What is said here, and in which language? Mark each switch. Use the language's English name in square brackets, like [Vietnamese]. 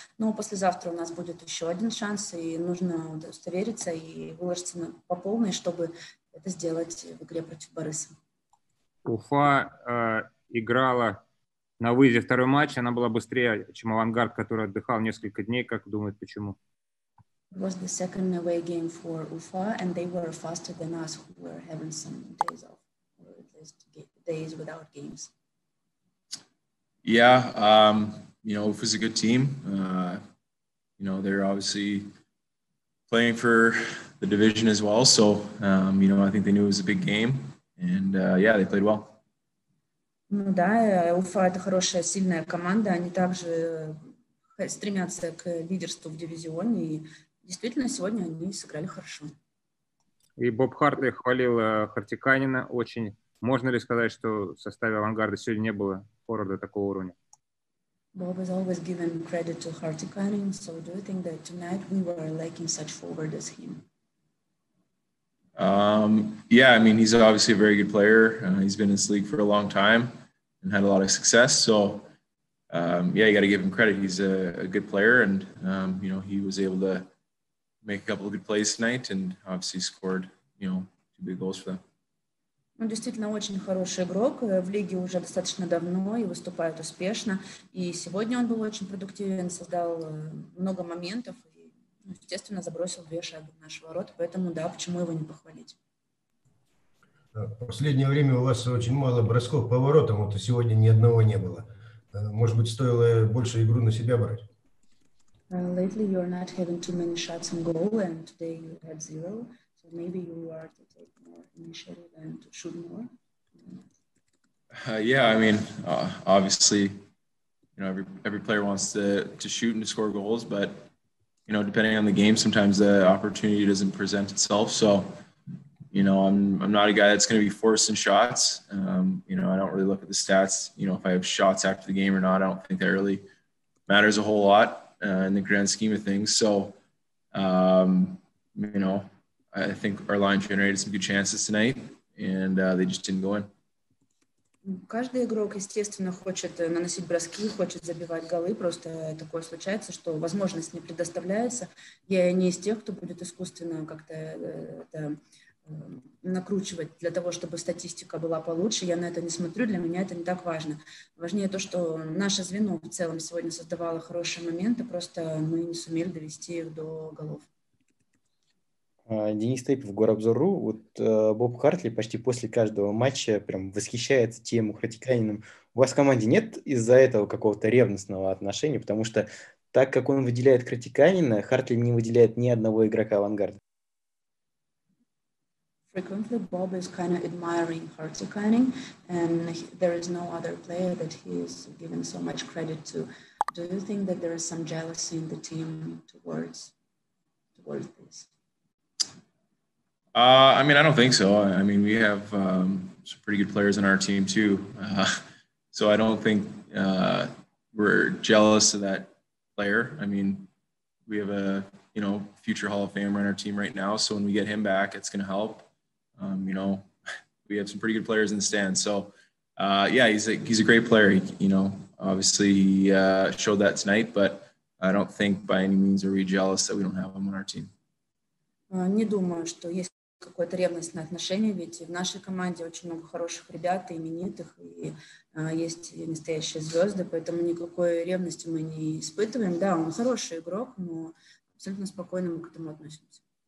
[Russian] Но послезавтра у нас будет еще один шанс, и нужно удостовериться и выложиться по полной, чтобы это сделать в игре против Бориса. Уфа играла на выезде второй матч. Она была быстрее, чем Авангард, который отдыхал несколько дней. Как думают, почему? [English] It was the second away game for Уфа, and they were faster than us, who were having some days off, or at least days without games. Yeah, you know, UFA's a good team. You know, they're obviously playing for the division as well. So, you know, I think they knew it was a big game. And, yeah, they played well. [Russian] Ну да, UFA – это хорошая, сильная команда. Они также стремятся к лидерству в дивизионе. И действительно, сегодня они сыграли хорошо. И Боб Хартли хвалил Хартиканина очень. Можно ли сказать, что в составе Авангарда сегодня не было форварда такого уровня? [English] Bob has always given credit to Hartikainen, so do you think that tonight we were lacking such forward as him? Yeah, I mean, he's obviously a very good player. He's been in this league for a long time and had a lot of success. So, yeah, you got to give him credit. He's a good player, and you know, he was able to make a couple of good plays tonight and obviously scored, you know, two big goals for them. [Russian] Он действительно очень хороший игрок, в лиге уже достаточно давно и выступает успешно. И сегодня он был очень продуктивен, создал много моментов и, естественно, забросил две шайбы в наши ворота. Поэтому, да, почему его не похвалить? В последнее время у вас очень мало бросков по воротам, вот сегодня ни одного не было. Может быть, стоило больше игру на себя брать? [English] Lately you are not having too many shots on goal, and today you had zero. Maybe you are to take more initiative and to shoot more? Yeah, I mean, obviously, you know, every player wants to shoot and to score goals, but, you know, depending on the game, sometimes the opportunity doesn't present itself. So, you know, I'm not a guy that's going to be forcing shots. You know, I don't really look at the stats, you know, if I have shots after the game or not. I don't think that really matters a whole lot in the grand scheme of things. So, you know, I think our line generated some good chances tonight, and they just didn't go in. [Russian] Каждый игрок, естественно, хочет наносить броски, хочет забивать голы. Просто такое случается, что возможность не предоставляется. Я не из тех, кто будет искусственно как-то это накручивать для того, чтобы статистика была получше. Я на это не смотрю. Для меня это не так важно. Важнее то, что наше звено в целом сегодня создавало хорошие моменты. Просто мы не сумели довести их до голов. Денис Тейпов, Горобзор.ру. Вот Боб Хартли почти после каждого матча прям восхищается тем Хартиканином. У вас в команде нет из-за этого какого-то ревностного отношения? Потому что так как он выделяет Хартиканина, Хартли не выделяет ни одного игрока Авангарда. [English] Frequently Bob is kind of admiring Hartikainen, and there is no other player that he is giving so much credit to. Do you think that there is some jealousy in the team towards this? I mean, I don't think so. I mean, we have some pretty good players on our team, too. So I don't think we're jealous of that player. I mean, we have a, you know, future Hall of Famer on our team right now. So when we get him back, it's going to help. You know, we have some pretty good players in the stands. So, yeah, he's a great player. He, you know, obviously he showed that tonight. But I don't think by any means are we jealous that we don't have him on our team. [Russian] Не думаю, что есть. какое-то ревностное отношение, ведь в нашей команде очень много хороших ребят, именитых, и есть и настоящие звезды, поэтому никакой ревности мы не испытываем. Да, он хороший игрок, но абсолютно спокойно мы к этому относимся.